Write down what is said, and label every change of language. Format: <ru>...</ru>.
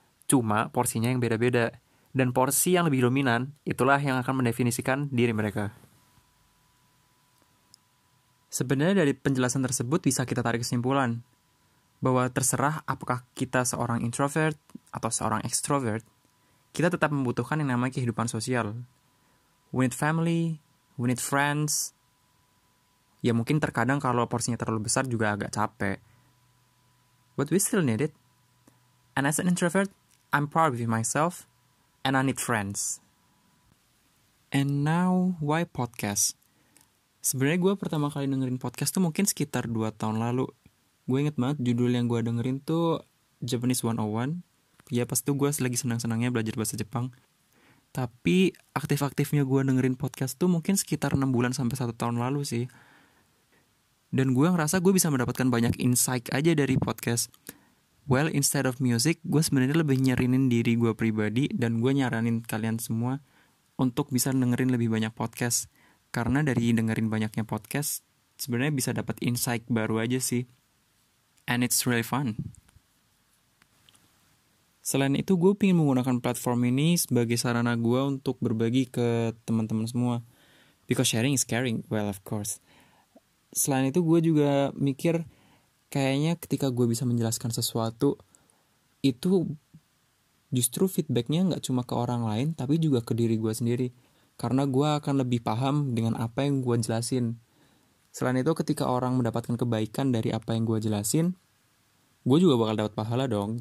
<id>Cuma porsinya yang beda-beda. Dan porsi yang lebih dominan, itulah yang akan mendefinisikan diri mereka. Sebenarnya dari penjelasan tersebut bisa kita tarik kesimpulan. Bahwa terserah apakah kita seorang introvert atau seorang extrovert, kita tetap membutuhkan yang namanya kehidupan sosial.</id> <en>We need family, we need friends.</en> <id>Ya mungkin terkadang kalau porsinya terlalu besar juga agak capek.</id> <en>But we still need it. And as an introvert, I'm proud with myself, and I need friends. And now, why podcast?</en> <id>Sebenarnya gue pertama kali dengerin podcast tuh mungkin sekitar 2 tahun lalu. Gue inget banget judul yang gue dengerin tuh Japanese 101. Ya pas itu gue lagi senang-senangnya belajar bahasa Jepang. Tapi aktif-aktifnya gue dengerin podcast tuh mungkin sekitar 6 bulan sampai 1 tahun lalu sih. Dan gue ngerasa gue bisa mendapatkan banyak insight aja dari podcast.</id> <en>Well, instead of music,</en> <id>gue sebenarnya lebih nyerinin diri gue pribadi, dan gue nyaranin kalian semua untuk bisa dengerin lebih banyak podcast. Karena dari dengerin banyaknya podcast, sebenarnya bisa dapat insight baru aja sih.</id> <en>And it's really fun.</en> <id>Selain itu, gue pengen menggunakan platform ini sebagai sarana gue untuk berbagi ke teman-teman semua.</id> <en>Because sharing is caring, well of course.</en> <id>Selain itu, gue juga mikir kayaknya ketika gue bisa menjelaskan sesuatu, itu justru feedbacknya gak cuma ke orang lain, tapi juga ke diri gue sendiri. Karena gue akan lebih paham dengan apa yang gue jelasin. Selain itu, ketika orang mendapatkan kebaikan dari apa yang gue jelasin, gue juga bakal dapat pahala dong.</id>